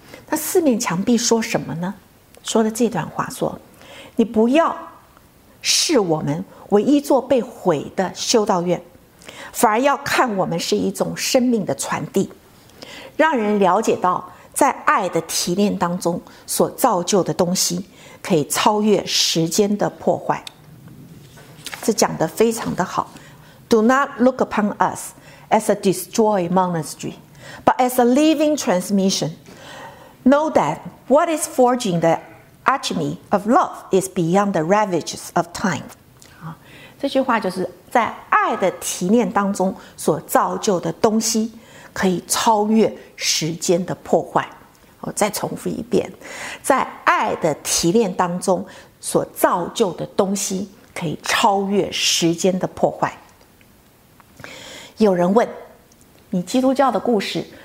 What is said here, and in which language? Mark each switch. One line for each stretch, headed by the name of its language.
Chinese: 那四面墙壁说什么呢？说了这段话，说你不要视我们为一座被毁的修道院，反而要看我们是一种生命的传递，让人了解到在爱的提炼当中所造就的东西可以超越时间的破坏。这讲得非常的好。
English: Do not look upon us as a destroyed monastery, but as a living transmission. Know that what is forging the alchemy of love is beyond the ravages of time.
Chinese: 这句话就是在爱的提炼当中所造就的东西可以超越时间的破坏。我再重复一遍，在爱的提炼当中所造就的东西可以超越时间的破坏。有人问，你基督教的故事